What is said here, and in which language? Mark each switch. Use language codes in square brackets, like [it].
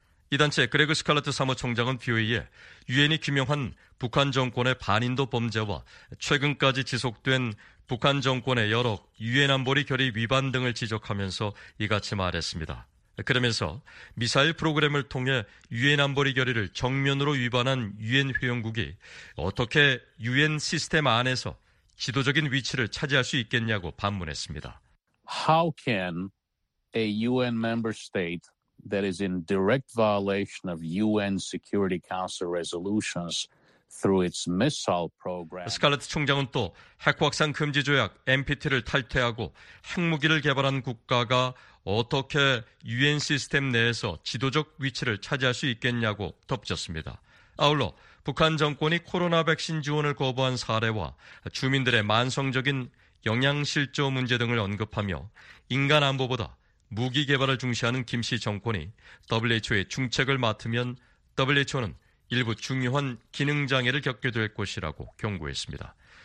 [ko] 이 단체 그레그 스칼라트 사무총장은 BOE에 유엔이 규명한 북한 정권의 반인도 범죄와 최근까지 지속된 북한 정권의 여러 유엔 안보리 결의 위반 등을 지적하면서 이같이 말했습니다. 그러면서 미사일 프로그램을 통해 유엔 안보리 결의를 정면으로 위반한 유엔 회원국이 어떻게 유엔 시스템 안에서 지도적인 위치를 차지할 수 있겠냐고 반문했습니다. [en] How can a UN member state that is in direct violation of UN Security Council resolutions through its missile program? [ko] 스칼렛 총장은 또 핵확산 금지 조약 NPT를 탈퇴하고 핵무기를 개발한 국가가 어떻게 유엔 시스템 내에서 지도적 위치를 차지할 수 있겠냐고 덧붙였습니다. 아울러 북한 정권이 코로나 백신 지원을 거부한 사례와 주민들의 만성적인 영양실조 문제 등을 언급하며 인간 안보보다 무기 개발을 중시하는 김 씨 정권이 WHO의 중책을 맡으면 WHO는 일부 중요한 기능장애를 겪게 될 것이라고 경고했습니다.